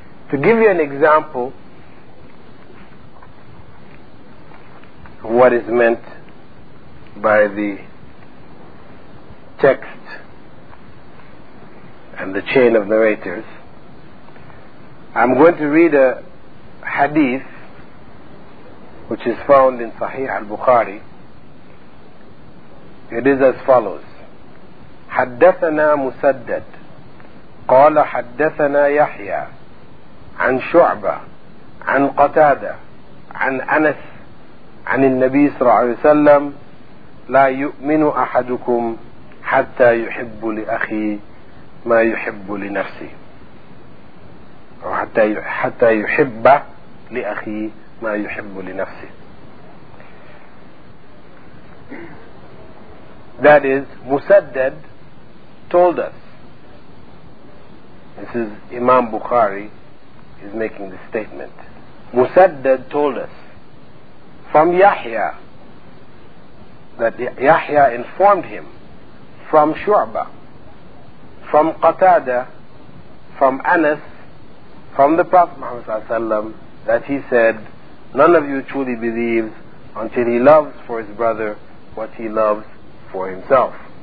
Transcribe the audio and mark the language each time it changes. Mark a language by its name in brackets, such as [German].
[English] To give you an example of what is meant by the text and the chain of narrators, I'm going to read a hadith which is found in Sahih al-Bukhari. It is as follows. [Arabic] حدثنا مسدد قال حدثنا يحيى عن شعبة عن قتادة عن أنس عن النبي صلى الله عليه وسلم لا يؤمن أحدكم حتى يحب لأخي ما يحب لنفسه أو حتى يحب لأخي ما يحب لنفسه. [English] That is, Musaddad told us. This is Imam Bukhari is making the statement. Musaddad told us from Yahya that Yahya informed him, from Shu'ba, from Qatada, from Anas, from the Prophet Muhammad sallallahu alaihi wasallam, that he said, none of you truly believes until he loves for his brother what he loves for himself.